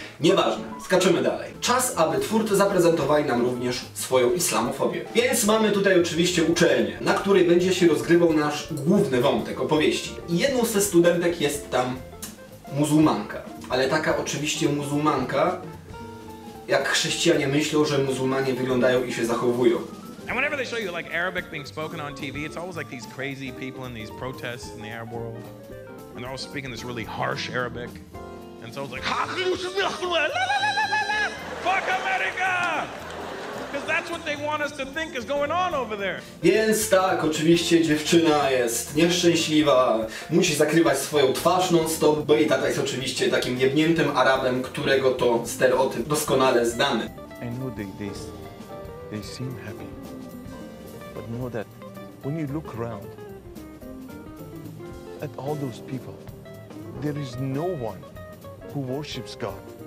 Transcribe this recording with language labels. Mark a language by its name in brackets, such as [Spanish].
[Polish] Nieważne, skaczymy dalej. Czas, aby twórcy zaprezentowali nam również swoją islamofobię. Więc mamy tutaj oczywiście uczelnię, na której będzie się rozgrywał nasz główny wątek opowieści. I jedną ze studentek jest tam muzułmanka. Ale taka oczywiście muzułmanka, jak chrześcijanie myślą, że muzułmanie wyglądają i się zachowują. [English] And whenever they show you like Arabic being spoken on TV, it's always like these crazy people in these protests in the Arab world. And they're all speaking this really harsh Arabic. And so it's like, ha, la, la, la, la, la, la, la. Fuck America! Because that's what they want us to think is going on over there. [Polish] Więc tak, oczywiście dziewczyna jest nieszczęśliwa, musi zakrywać swoją twarz non-stop, bo jej tata jest oczywiście takim jebniętym Arabem, którego to stereotyp doskonale znamy. [English] I know they seem happy. But know that when you look around at all those people, there is no one who worships God.